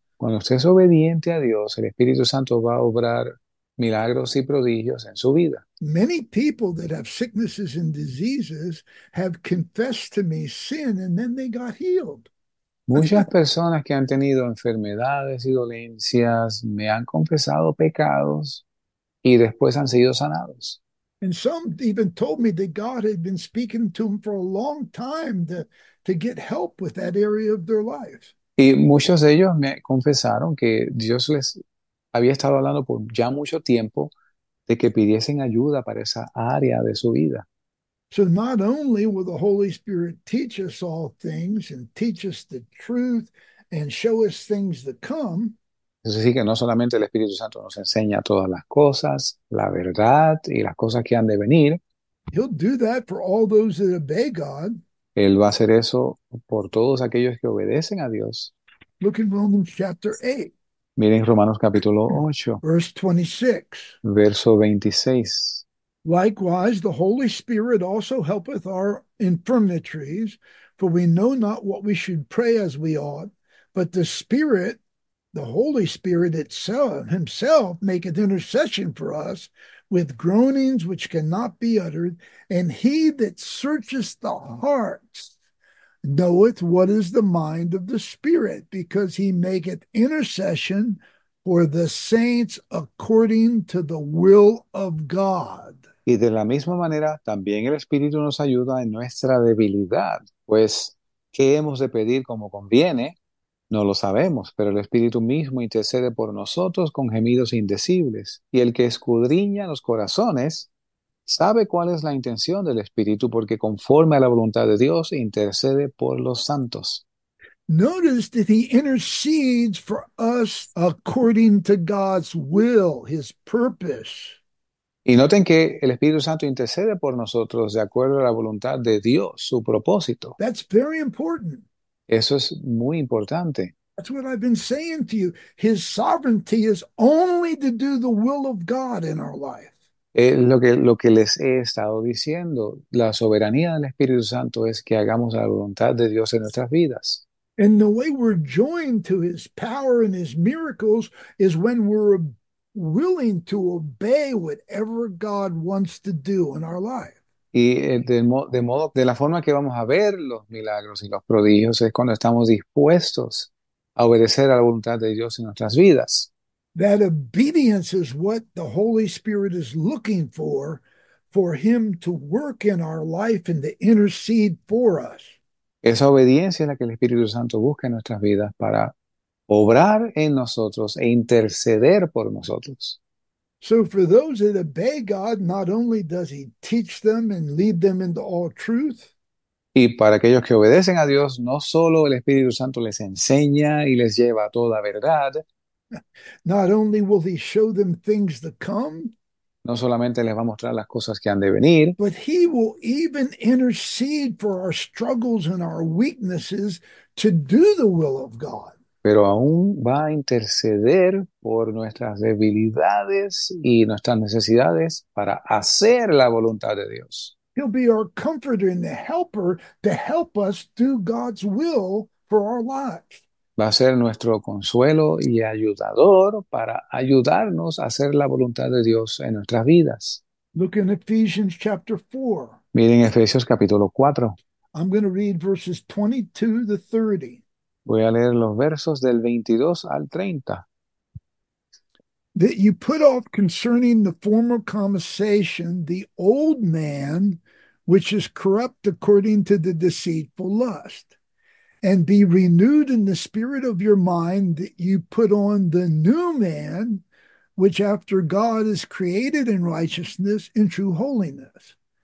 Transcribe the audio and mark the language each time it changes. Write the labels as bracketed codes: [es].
[es] Cuando usted es obediente a Dios, el Espíritu Santo va a obrar milagros y prodigios en su vida. [en] Many people that have sicknesses and diseases have confessed to me sin and then they got healed. [es] Muchas personas que han tenido enfermedades y dolencias me han confesado pecados y después han sido sanados. [en] And some even told me that God had been speaking to them for a long time to get help with that area of their lives. [es] Y muchos de ellos me confesaron que Dios les había estado hablando por ya mucho tiempo de que pidiesen ayuda para esa área de su vida. [en] So not only will the Holy Spirit teach us all things and teach us the truth and show us things to come. [es] Es decir, que no solamente el Espíritu Santo nos enseña todas las cosas, la verdad y las cosas que han de venir. [en] He'll do that for all those that obey God. [es] Él va a hacer eso por todos aquellos que obedecen a Dios. [en] Look in Romans chapter 8, [es] Miren Romanos capítulo 8, [en] verse 26. [es] verso 26. [en] Likewise, the Holy Spirit also helpeth our infirmities, for we know not what we should pray as we ought, but the Spirit, the Holy Spirit itself, himself maketh intercession for us with groanings which cannot be uttered, and he that searcheth the hearts knoweth what is the mind of the Spirit, because he maketh intercession for the saints according to the will of God. [es] Y de la misma manera, también el Espíritu nos ayuda en nuestra debilidad, pues, ¿qué hemos de pedir como conviene? No lo sabemos, pero el Espíritu mismo intercede por nosotros con gemidos indecibles. Y el que escudriña los corazones sabe cuál es la intención del Espíritu, porque conforme a la voluntad de Dios, intercede por los santos. [en] Notice that he intercedes for us according to God's will, his purpose. [es] Y noten que el Espíritu Santo intercede por nosotros de acuerdo a la voluntad de Dios, su propósito. [en] That's very important. [es] Eso es muy importante. [en] That's what I've been saying to you. His sovereignty is only to do the will of God in our life. [es] Lo que les he estado diciendo, la soberanía del Espíritu Santo es que hagamos la voluntad de Dios en nuestras vidas. [en] And the way we're joined to his power and his miracles is when we're willing to obey whatever God wants to do in our life. [es] Y de la forma que vamos a ver los milagros y los prodigios es cuando estamos dispuestos a obedecer a la voluntad de Dios en nuestras vidas. [en] That obedience is what the Holy Spirit is looking for him to work in our life and to intercede for us. [es] Esa obediencia es la que el Espíritu Santo busca en nuestras vidas para obrar en nosotros e interceder por nosotros. [en] So for those that obey God, not only does he teach them and lead them into all truth, [es] Y para aquellos que obedecen a Dios, no solo el Espíritu Santo les enseña y les lleva a toda verdad, [en] not only will he show them things to come, [es] no solamente les va a mostrar las cosas que han de venir, [en] but he will even intercede for our struggles and our weaknesses to do the will of God. [es] pero aún va a interceder por nuestras debilidades y nuestras necesidades para hacer la voluntad de Dios. [en] He'll be our comforter and the helper to help us do God's will for our lives. [es] Va a ser nuestro consuelo y ayudador para ayudarnos a hacer la voluntad de Dios en nuestras vidas. [en] Look in Ephesians chapter 4. [es] Miren Efesios capítulo 4. [en] I'm going to read verses 22 to 30. [es] Voy a leer los versos del 22 al 30. [en] That you put off concerning the former conversation the old man, which is corrupt according to the deceitful lust, and be renewed in the spirit of your mind, that you put on the new man, which after God is created in righteousness and true holiness.